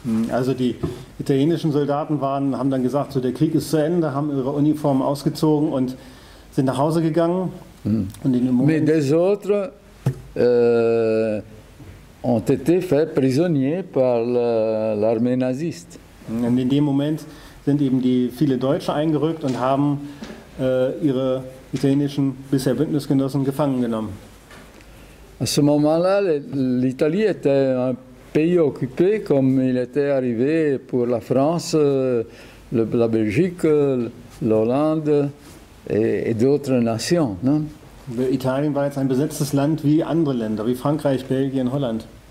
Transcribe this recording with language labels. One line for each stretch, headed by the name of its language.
German: Also die italienischen Soldaten haben dann gesagt, so der Krieg ist zu Ende, haben ihre Uniform ausgezogen und sind nach Hause gegangen. Und in dem Moment,
French: mais des autres ont été fait prisonniers par l'armée naziste.
German: Und in dem Moment sind eben die viele Deutsche eingerückt und haben ihre italienischen bisher Bündnisgenossen gefangen genommen.
French: À ce moment-là, l'Italie était un pays occupé, comme il était arrivé pour la France, la Belgique, l'Hollande et d'autres nations. Non?
German: Italien war jetzt ein besetztes Land wie andere Länder, wie Frankreich, Belgien, Holland.